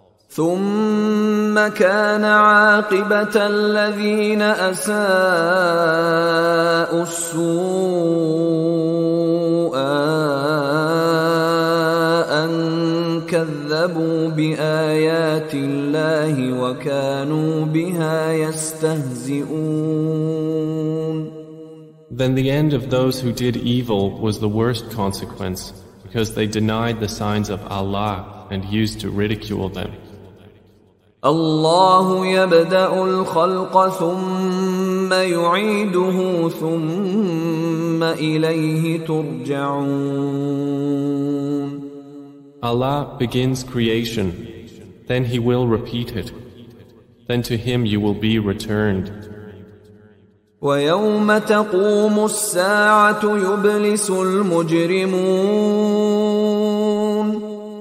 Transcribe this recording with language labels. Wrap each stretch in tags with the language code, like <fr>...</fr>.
<ar>ثُمَّ كَانَ عَاقِبَةَ الَّذِينَ أَسَاءُوا السُّوءَ أَن كَذَّبُوا بِآيَاتِ اللَّهِ وَكَانُوا بِهَا يَسْتَهْزِئُونَ.</ar> <en>Then the end of those who did evil was the worst consequence, because they denied the signs of Allah and used to ridicule them.</en> <ar>Allah يبدأ الخلق ثم يعيده ثم إليه ترجعون.</ar> <en>Allah begins creation, then He will repeat it, then to Him you will be returned.</en> <ar>ويوم تقوم الساعة يبلس المجرمون.</ar>